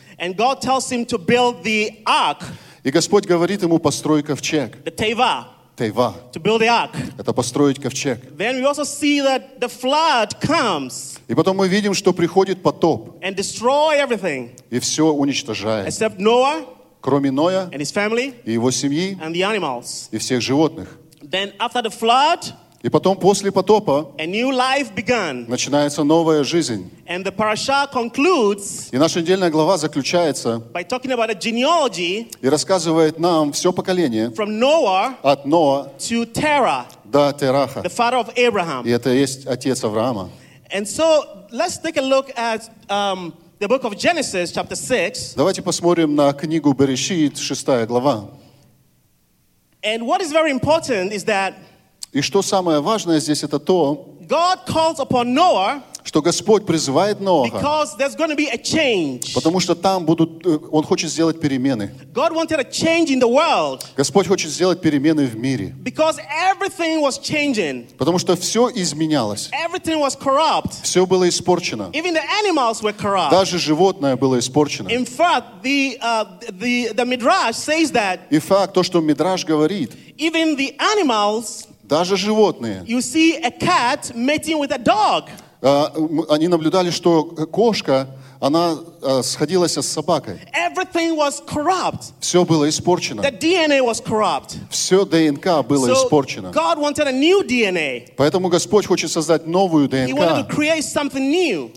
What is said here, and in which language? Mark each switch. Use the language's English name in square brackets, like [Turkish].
[English] And God tells him to build the ark. [Russian] И Господь говорит ему, построй ковчег. [English] The teva. [Hebrew] Teva. [English] To build the ark. [Russian] Это построить ковчег. [English] Then we also see that the flood comes. [Russian] И потом мы видим, что приходит потоп. [English] And destroy everything. [Russian] И все уничтожает. [English] Except Noah. [Russian] Кроме Ноя. [English] And his family. [Russian] И его семьи. [English] And the animals. [Russian] И всех животных. [English] Then after the flood. [Russian] И потом, после потопа, [English] a new life began. [Russian] Начинается новая жизнь. [English] And the parasha concludes, [Russian] и наша недельная глава заключается [English] by talking about a genealogy, [Russian] и рассказывает нам все поколение [English] from Noah, [Russian] от Ноа [English] to Terah, [Russian] до Тераха. [English] The father of Abraham. [Russian] И это есть отец Авраама. [English] And so, let's take a look at, the book of Genesis, chapter 6. [Russian] Давайте посмотрим на книгу Берешит, 6 глава. [English] And what is very important is that [Russian] и что самое важное здесь, это то, [English] God calls upon Noah, [Russian] что Господь призывает Ноаха, [English] because there's going to be a change. [Russian] Потому что там будут, Он хочет сделать перемены. [English] God wanted a change in the world, [Russian] Господь хочет сделать перемены в мире. [English] Because everything was changing. [Russian] Потому что все изменялось. [English] Everything was corrupt. [Russian] Все было испорчено. [English] Even the animals were corrupt. [Russian] Даже животное было испорчено. [English] In fact, the Midrash says that, [Russian] и факт, то, что Мидраш говорит, [English] even the animals, [Russian] даже животные. [English] You see a cat mating with a dog. [Russian] Они наблюдали, что кошка, она сходилась с собакой. [English] Everything was corrupt. [Russian] Все было испорчено. [English] The DNA was corrupt. [Russian] Все ДНК было испорчено. [English] So God wanted a new DNA. [Russian] Поэтому Господь хочет создать новую ДНК. [English] He wanted to create something new.